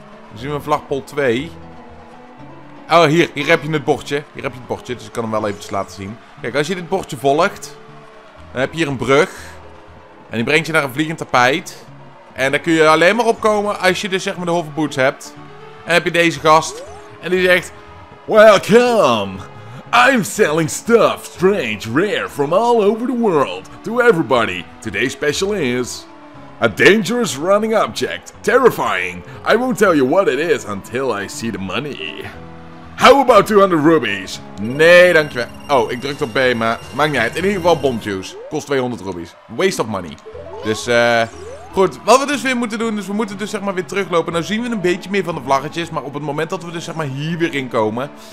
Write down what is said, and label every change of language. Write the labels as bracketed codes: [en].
[nl] Dan zien we vlagpol 2. Oh, hier heb je het bordje. Hier heb je het bordje, dus ik kan hem wel eventjes laten zien. Kijk, als je dit bordje volgt, dan heb je hier een brug. En die brengt je naar een vliegend tapijt. En daar kun je alleen maar opkomen als je dus zeg maar de hoverboots hebt. En dan heb je deze gast. En die zegt... [en] Welcome! I'm selling stuff, strange, rare, from all over the world, to everybody. Today's special is... A dangerous running object. Terrifying. I won't tell you what it is until I see the money. How about 200 rubies? [nl] Nee, dankjewel. Oh, ik drukte op B, maar maakt niet uit. In ieder geval bomjuice. Kost 200 rubies. [en] Waste of money. [nl] Dus, goed, wat we dus weer moeten doen, is we moeten dus zeg maar weer teruglopen. Nou zien we een beetje meer van de vlaggetjes, maar op het moment dat we dus zeg maar hier weer in komen...